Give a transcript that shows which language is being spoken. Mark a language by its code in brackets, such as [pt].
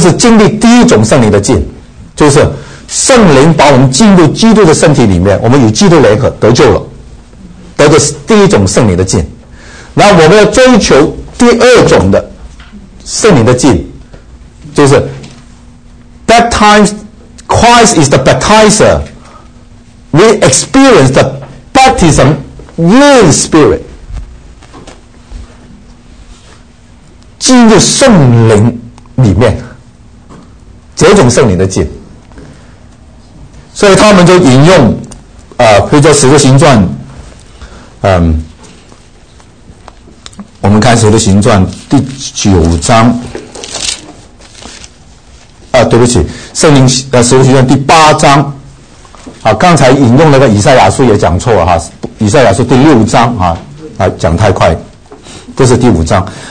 [zh] 是经历第一种圣灵的浸，就是圣灵把我们进入基督的身体里面，我们与基督联合得救了，得的是第一种圣灵的浸。然后我们要追求第二种的圣灵的浸，就是 [en] baptized Christ is the baptizer. We experience the baptism with spirit. [zh] 进入圣灵里面，这种圣灵的浸。所以他们就引用比如说使徒行传，我们看使徒行传第九章对不起，圣灵使徒行传第八章刚才引用那个以赛亚书也讲错了以赛亚书第六章讲太快，不是第五章。